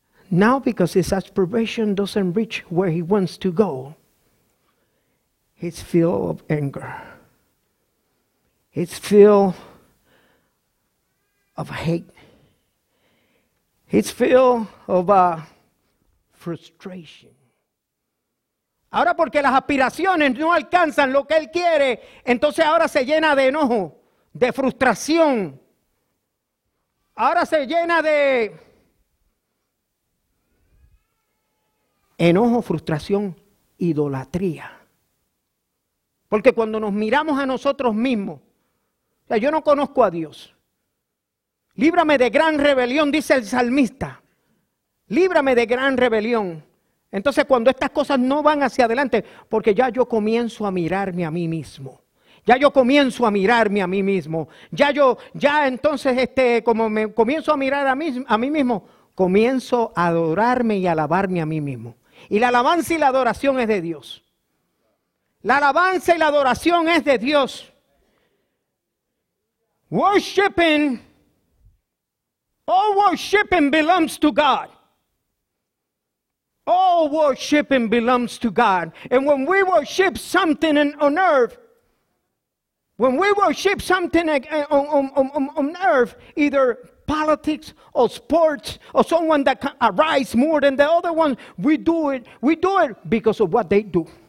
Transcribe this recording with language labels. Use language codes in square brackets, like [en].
[en] Now, because his aspiration doesn't reach where he wants to go, he's filled of anger. He's filled of hate. He's filled of frustration. [es] Ahora porque las aspiraciones no alcanzan lo que él quiere, entonces ahora se llena de enojo, de frustración. Ahora se llena de enojo, frustración, idolatría. Porque cuando nos miramos a nosotros mismos, o sea, yo no conozco a Dios. Líbrame de gran rebelión, dice el salmista. Líbrame de gran rebelión. Entonces cuando estas cosas no van hacia adelante, porque ya yo comienzo a mirarme a mí mismo. Ya yo comienzo a mirarme a mí mismo. Ya entonces, como me comienzo a mirar a mí mismo, comienzo a adorarme y alabarme a mí mismo. Y la alabanza y la adoración es de Dios. La alabanza y la adoración es de Dios. [en] Worshiping, all worshiping belongs to God. All worshiping belongs to God. And when we worship something on earth, when we worship something on earth, either politics or sports or someone that can arise more than the other one, we do it because of what they do.